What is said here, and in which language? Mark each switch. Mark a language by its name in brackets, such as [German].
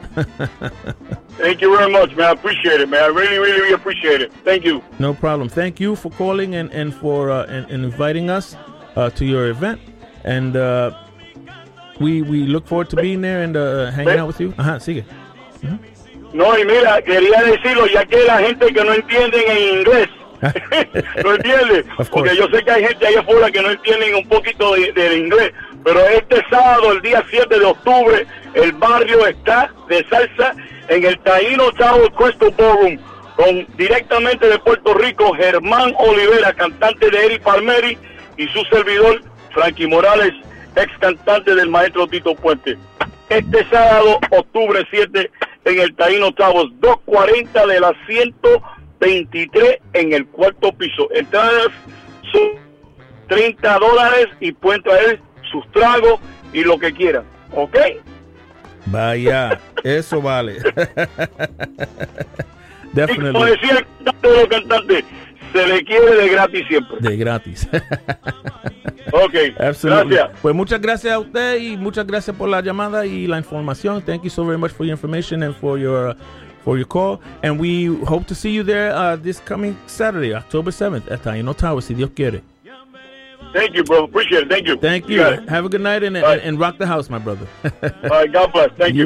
[English] Thank you very much, man. I appreciate it, man. I really, really, really appreciate it. Thank you. No problem. Thank you for calling and for inviting us to your event, and we look forward to being there and hanging out with you. Uh-huh. Sigue. Mm-hmm. [Spanish] No, y mira, quería decirlo, ya que la gente que no entienden en inglés, ¿no entiende? Porque yo sé que hay gente ahí afuera que no entienden un poquito de inglés, pero este sábado, el día 7 de octubre, el barrio está de salsa en el Taino Tower Crystal Ballroom, con directamente de Puerto Rico, Germán Olivera, cantante de Eric Palmieri, y su servidor, Frankie Morales, ex cantante del maestro Tito Puente. Este sábado, octubre 7, en el Taino Towers, 240 de la 123 en el cuarto piso. Entradas son $30 y pueden traer sus tragos y lo que quieran. ¿Ok? Vaya, eso vale. [English] Definitely. [Spanish] Y como decía el cantante de los cantantes, se le quiere de gratis siempre. De gratis. Okay. [English] Absolutely. [Spanish] Gracias. Pues muchas gracias a usted y muchas gracias por la llamada y la información. [English] Thank you so very much for your information and for your call. And we hope to see you there this coming Saturday, October 7th, at Taino Tower, [Spanish] si Dios quiere. [English] Thank you, bro. Appreciate it. Thank you. Thank you. Have a good night and rock the house, my brother. All right. God bless. Thank you.